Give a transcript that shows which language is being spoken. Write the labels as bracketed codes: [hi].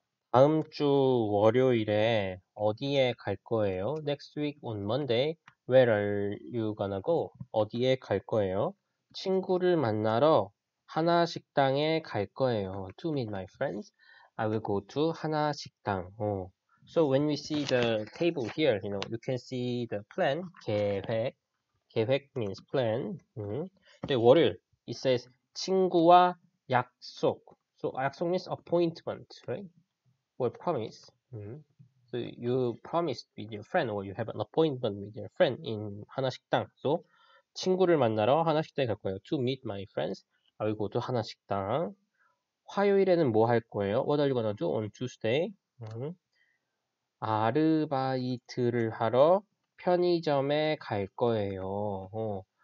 [ko] 다음 주 월요일에 어디에 갈 거예요? [en] Next week on Monday, where are you gonna go? [ko] 어디에 갈 거예요? 친구를 만나러 하나 식당에 갈 거예요. [en] To meet my friends, I will go to 하나 식당. So when we see the table here, you know, you can see the plan, 계획. 계획 means plan. [ko] 근데 월요일, [en] it says [ko] 친구와 약속. [en] So 약속 means appointment, right? Or promise. So you promised with your friend, or you have an appointment with your friend in 하나 식당. So [ko] 친구를 만나러 하나 식당에 갈 거예요. [en] To meet my friends, I will go to 하나 식당. [ko] 화요일에는 뭐할 거예요? [en] What are you gonna do on Tuesday? [ko] 아르바이트를 하러 편의점에 갈 거예요.